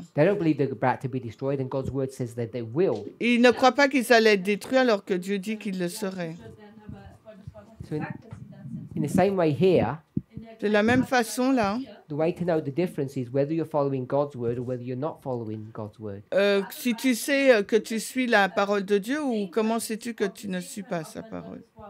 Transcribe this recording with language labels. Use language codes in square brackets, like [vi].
[en] They don't believe they're about to be destroyed, and God's word says that they will. [fr] Ils ne croient pas qu'ils allaient être détruits alors que Dieu dit qu'ils le seraient. [en] So in the same way here, [fr] de la même façon là, [en] the way to know the difference is whether you're following God's word or whether you're not following God's word. [fr] Si tu sais que tu suis la parole de Dieu ou comment sais-tu que tu ne suis pas sa parole?